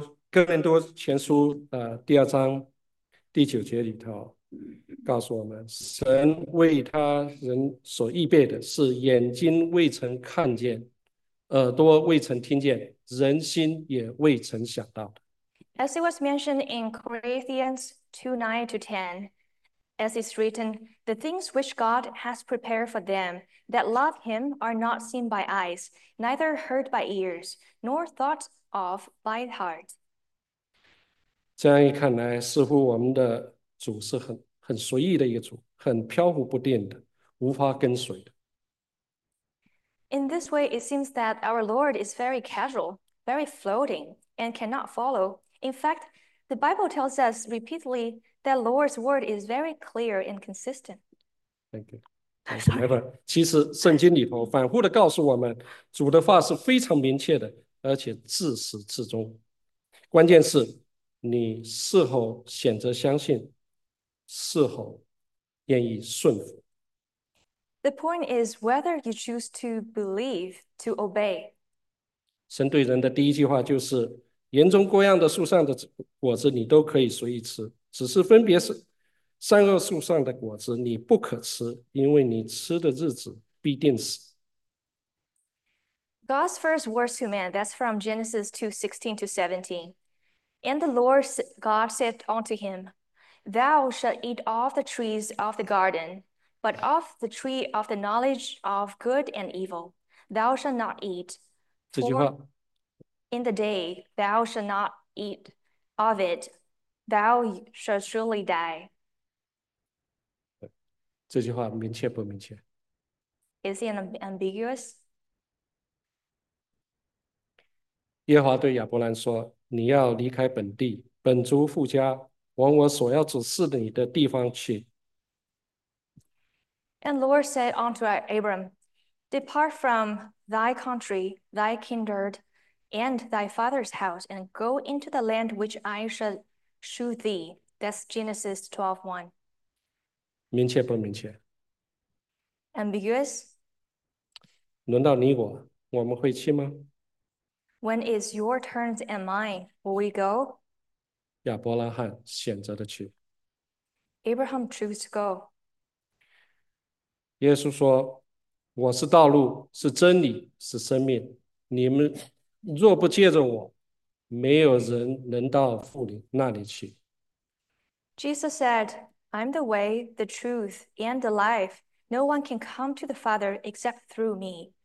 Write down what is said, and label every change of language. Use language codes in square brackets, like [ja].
[zh] 哥林多前书第2章第9节里头告诉我们，神为他人所预备的是眼睛未曾看见。耳朵未曾听见，人心也未曾想到的。 [en] As it was mentioned in Corinthians 2:9-10. As it's written, the things which God has prepared for them that love him are not seen by eyes, neither heard by ears, nor thought of by heart. 这样一看来，似乎我们的主是很随意的一个主，很飘忽不定的，无法跟随的。 In this way, it seems that our Lord is very casual, very floating, and cannot follow. In fact, the Bible tells us repeatedly that Lord's word is very clear and consistent. Thank you. I'm [zh] 没 [en] sorry. [zh] 问，其实圣经里头反复的告诉我们，主的话是非常明确的，而且自始至终。关键是你是否选择相信，是否愿意顺服。 [en] The point is whether you choose to believe, to obey. [zh] 神对人的第一句话就是：园中各样的树上的果子你都可以随意吃，只是分别是。善恶树上的果子你不可吃，因为你吃的日子必定死。 [en] God's first words to man, that's from Genesis 2:16-17. And the Lord God said unto him, Thou shalt eat of the trees of the garden, but of the tree of the knowledge of good and evil, thou shalt not eat, [zh] 这句 [en] for [zh] 话。 [en] in the day thou shalt not eat of it, thou shalt surely die. [zh] 这句话明确不明确？ [en] Is it ambiguous? [zh] 耶和华对亚伯兰说：“你要离开本地、本族、父家，往我所要指示你的地方去。 [en] And the Lord said unto Abram, Depart from thy country, thy kindred, and thy father's house, and go into the land which I shall shew thee. That's Genesis 12:1. [zh] ”明确不明确？ [en] Ambiguous? [zh] 轮到你我，我们会去吗？ [en] When is your turn and mine? Will we go? [zh] 亚伯拉罕选择的去。 [en] Abraham chose to go. [zh] 耶稣说：“我是道路，是真理，是生命。你们若不借着我，没有人能到父那里去。” [en] Jesus said, "I'm the way, the truth, and the life. No one can come to the Father except through me."